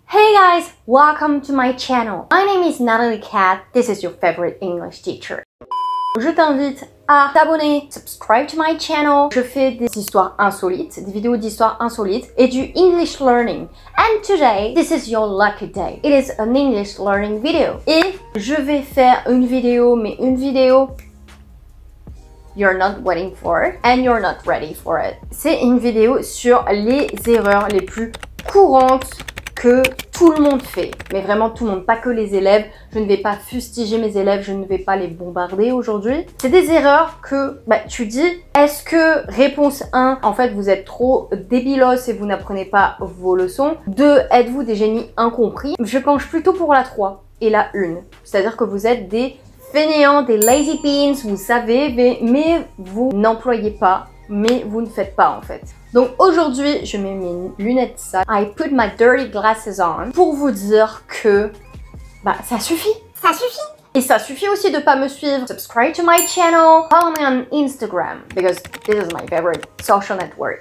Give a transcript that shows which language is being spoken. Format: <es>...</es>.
<en>Hey guys, welcome to my channel. My name is Natalie Cat. This is your favorite English teacher.</en> <fr>Je t'invite à t'abonner,</fr> <en>subscribe to my channel.</en> <fr>Je fais des histoires insolites, des vidéos d'histoires insolites et du English learning.</fr> <en>And today, this is your lucky day. It is an English learning video.</en> <fr>Et je vais faire une vidéo,</fr> <en>mais une vidéo you're not waiting for it and you're not ready for it.</en> <fr>C'est une vidéo sur les erreurs les plus courantes que tout le monde fait, mais vraiment tout le monde, pas que les élèves. Je ne vais pas fustiger mes élèves, je ne vais pas les bombarder aujourd'hui. C'est des erreurs que bah, tu dis, est-ce que réponse 1, en fait vous êtes trop débilos et vous n'apprenez pas vos leçons. 2, êtes-vous des génies incompris? Je penche plutôt pour la 3 et la 1, c'est-à-dire que vous êtes des fainéants, des</fr> <en>lazy beans,</en> <fr>vous savez, mais vous n'employez pas, mais vous ne faites pas en fait. Donc aujourd'hui, je mets mes lunettes sales.</fr> <en>I put my dirty glasses on.</en> <fr>Pour vous dire que bah, ça suffit. Ça suffit. Et ça suffit aussi de ne pas me suivre.</fr> <en>Subscribe to my channel. Follow me on Instagram. Because this is my favorite social network.</en>